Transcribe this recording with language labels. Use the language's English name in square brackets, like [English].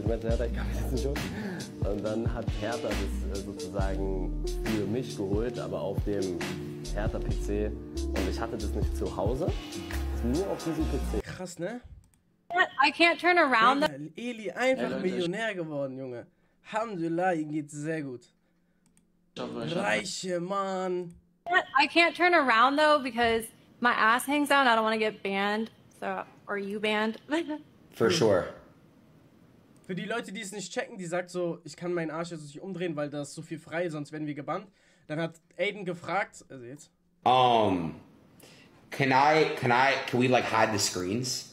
[German] Ich meinte, Hertha, ich kann mich jetzt nicht schon. Und dann hat Hertha das sozusagen für mich geholt, aber auf dem Hertha-PC. Und ich hatte das nicht zu Hause, nur auf diesem PC. Krass, ne? [English] I can't turn around. [German] Eli, einfach Millionär geworden, Junge. Alhamdulillah, ihm geht's sehr gut. Reiche Mann. [English] I can't turn around though, because my ass hangs out. I don't want to get banned. So, are you banned? For sure. [German] Für die Leute, die es nicht checken, die sagt so, ich kann meinen Arsch jetzt nicht umdrehen, weil da ist so viel frei, sonst werden wir gebannt. Dann hat Aiden gefragt, also jetzt. [English] Can we like hide the screens?